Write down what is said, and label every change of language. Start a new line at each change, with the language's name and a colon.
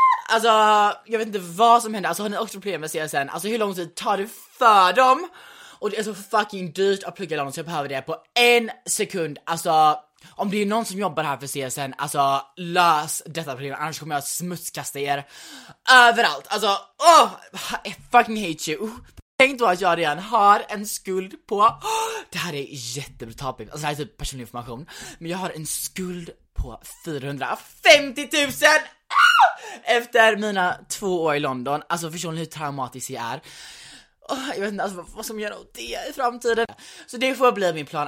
Swedish: Alltså, jag vet inte vad som händer. Alltså, har ni också problem med CSN? Alltså, hur lång tid tar det för dem? Och det är så fucking dyrt att plugga lån, så jag behöver det på en sekund. Alltså, om det är någon som jobbar här för CSN, alltså, lös detta problem. Annars kommer jag att smutskasta er överallt.
English: Alltså, oh, I fucking hate you.
Swedish: Tänk då att jag redan har en skuld på... det här är jättebrutalt. Alltså, det här är typ personlig information. Men jag har en skuld på 450 000! Efter mina 2 år i London. Alltså förstår ni hur traumatiskt jag är? Oh, jag vet inte alltså, vad som gör åt det i framtiden. Så det får bli min plan.